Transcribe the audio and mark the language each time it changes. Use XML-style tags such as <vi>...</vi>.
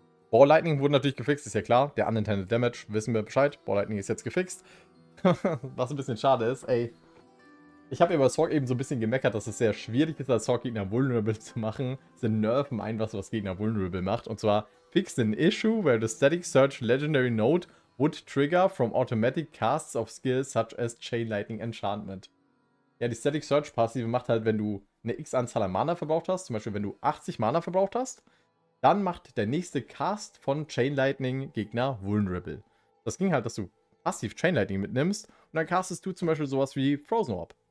<de>Ball Lightning wurde natürlich gefixt, ist ja klar. Der Unintended Damage, wissen wir Bescheid. Ball Lightning ist jetzt gefixt. Was ein bisschen schade ist, ey. Ich habe über Sorg eben so ein bisschen gemeckert, dass es sehr schwierig ist, als Sorg Gegner vulnerable zu machen. Sie nerven ein, was Gegner vulnerable macht. Und zwar:</de> <en>Fixed an issue where the Static Surge Legendary Node would trigger from automatic casts of skills such as Chain Lightning Enchantment.</en> <de>Ja, die Static Surge Passive macht halt, wenn du eine X-Anzahl an Mana verbraucht hast, zum Beispiel wenn du 80 Mana verbraucht hast, dann macht der nächste Cast von Chain Lightning Gegner vulnerable. Das ging halt, dass du passiv Chain Lightning mitnimmst und dann castest du zum Beispiel sowas wie Frozen Orb.</de>